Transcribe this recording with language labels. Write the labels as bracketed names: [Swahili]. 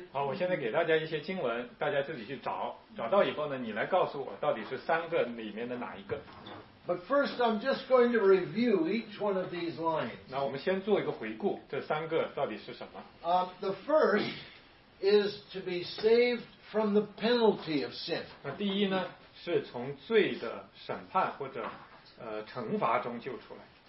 [Chinese] 好，我现在给大家一些经文，大家自己去找。找到以后呢，你来告诉我到底是三个里面的哪一个。 [English] But first, I'm just going to review each one of these lines. [Chinese] 那我们先做一个回顾，这三个到底是什么？ [English] The first is to be saved from the penalty of sin. [Chinese] 那第一呢，是从罪的审判或者惩罚中救出来。